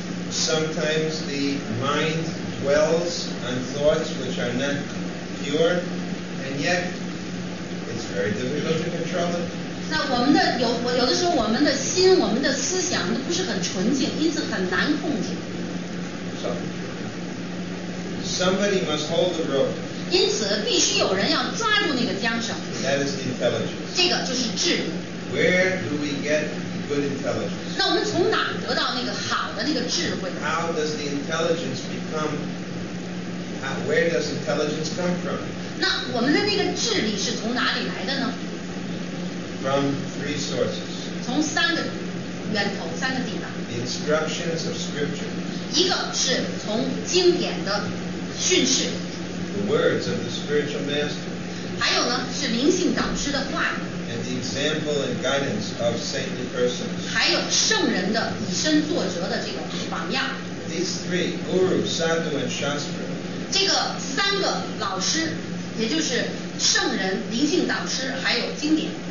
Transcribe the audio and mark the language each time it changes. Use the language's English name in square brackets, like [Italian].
[English] Sometimes the mind dwells on thoughts which are not pure, And yet, it's very difficult to control it. [Chinese] 那我们的有的时候我们的心我们的思想不是很纯净，因此很难控制。 [English] So, somebody must hold the rope. [Chinese] 因此必须有人要抓住那个缰绳。 [English] That is intelligence. [Chinese] 这个就是智力。 [English] Where do we get good intelligence? [Chinese] 那我们从哪得到那个好的那个智慧？ [English] How does the intelligence become? Where does intelligence come from? [Chinese] 那我们的那个智力是从哪里来的呢？ [English] From three sources. [Chinese] 从三个源头，三个地方。 [English] The instructions of scripture. [Chinese] 一个是从经典的训示。 [English] The words of the spiritual master. [Chinese] 还有呢，是灵性导师的话语。 [English] And the example and guidance of saintly persons. [Chinese] 还有圣人的以身作则的这个榜样。 [English] These three, guru, sadhu, and shastra. [Chinese] 这个三个老师，也就是圣人、灵性导师，还有经典。